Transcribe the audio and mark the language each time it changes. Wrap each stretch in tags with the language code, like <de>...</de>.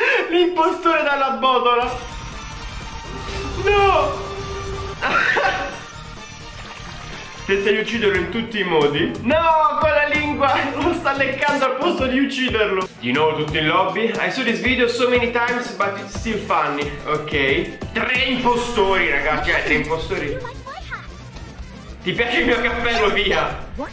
<it>L'impostore dalla botola. No. Tenta di ucciderlo in tutti i modi. No, con la lingua lo sta leccando al posto di ucciderlo. Di nuovo tutti in lobby.</it> <en>I saw this video so many times, but it's still funny.</en> <it>Ok. Tre impostori, ragazzi. Tre impostori. Ti piace il mio cappello, via.</it>